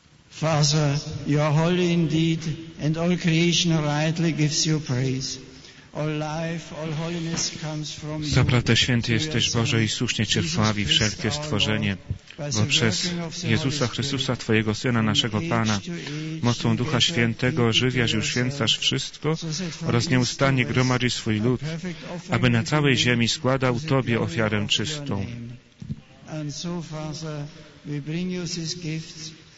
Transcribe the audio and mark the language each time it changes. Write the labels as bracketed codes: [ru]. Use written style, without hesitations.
[en] Father, you are holy indeed, and all creation rightly gives you praise. All life, all holiness comes from you. [pl] Zaprawdę święty jesteś, Boże, i słusznie Cię chwali wszelkie stworzenie, bo przez Jezusa Chrystusa, Twojego Syna, naszego Pana, mocą Ducha Świętego ożywiasz i uświęcasz wszystko oraz nieustannie gromadzisz swój lud, aby na całej ziemi składał Tobie ofiarę czystą. [en] And so, Father, we bring you these gifts.